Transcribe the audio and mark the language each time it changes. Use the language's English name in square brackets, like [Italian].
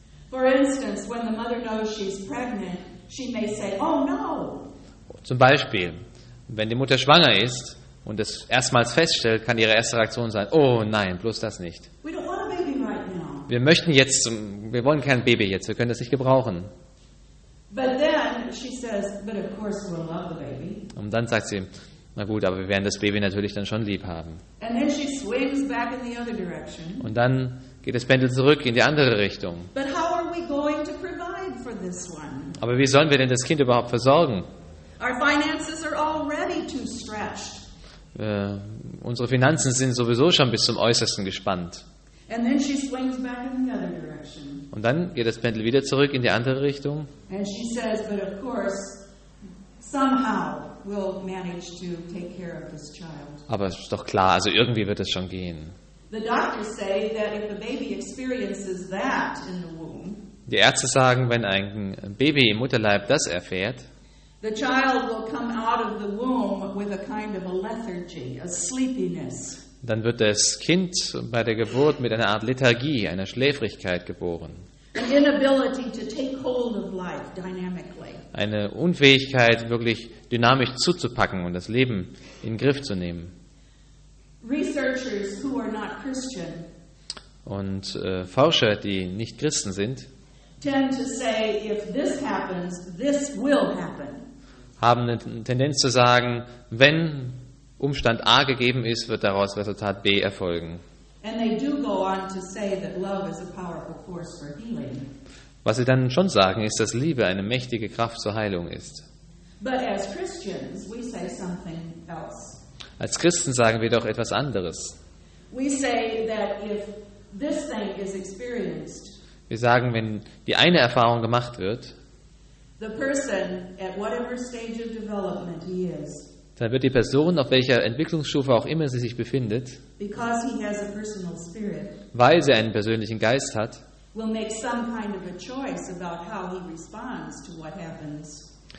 [English] For instance, when the mother knows she's pregnant, she may say, "Oh no." [German] Zum Beispiel, wenn die Mutter schwanger ist und es erstmals feststellt, kann ihre erste Reaktion sein, oh nein, bloß das nicht. [English] We don't want a baby right now. [German] Wir möchten jetzt, wir wollen kein Baby jetzt, wir können das nicht gebrauchen. [English] But then she says, but of course we'll love the baby. [German] Und dann sagt sie, na gut, aber wir werden das Baby natürlich dann schon lieb haben. [English] And then she swings back in the other direction. [German] Und dann geht das Pendel zurück in die andere Richtung. [English] But how are we going to provide for this one? [German] Aber wie sollen wir denn das Kind überhaupt versorgen? [English] Our finances are already too stretched. [German] Unsere Finanzen sind sowieso schon bis zum Äußersten gespannt. [English] And then she swings back in the other direction. [German] Und dann geht das Pendel wieder zurück in die andere Richtung. [English] And she says, but of course, somehow we'll manage to take care of this child. [German] Aber es ist doch klar, also irgendwie wird es schon gehen. [English] The doctors say that if the baby experiences that in the womb. [German] Die Ärzte sagen, wenn ein Baby im Mutterleib das erfährt, [English] the child will come out of the womb with a kind of a lethargy, a sleepiness. [German] Dann wird das Kind bei der Geburt mit einer Art Lethargie, einer Schläfrigkeit geboren. [English] An inability to take hold of life dynamically. [German] Eine Unfähigkeit, wirklich dynamisch zuzupacken und das Leben in den Griff zu nehmen. [English] Researchers who are not Christian. [German] Und Forscher, die nicht Christen sind, [English] tend to say, if this happens, this will happen. [German] Haben eine Tendenz zu sagen, wenn Umstand A gegeben ist, wird daraus Resultat B erfolgen. [English] And they do go on to say that love is a powerful force for healing. [German] Was sie dann schon sagen, ist, dass Liebe eine mächtige Kraft zur Heilung ist. [English] But as Christians, we say something else. [German] Als Christen sagen wir doch etwas anderes. [English] We say that if this thing is experienced. [German] Wir sagen, wenn die eine Erfahrung gemacht wird, [English] the person, at whatever stage of development he is, [German] dann wird die Person, auf welcher Entwicklungsstufe auch immer sie sich befindet, [English] because he has a personal spirit, [German] weil sie einen persönlichen Geist hat, [English] will make some kind of a choice about how he responds to what happens.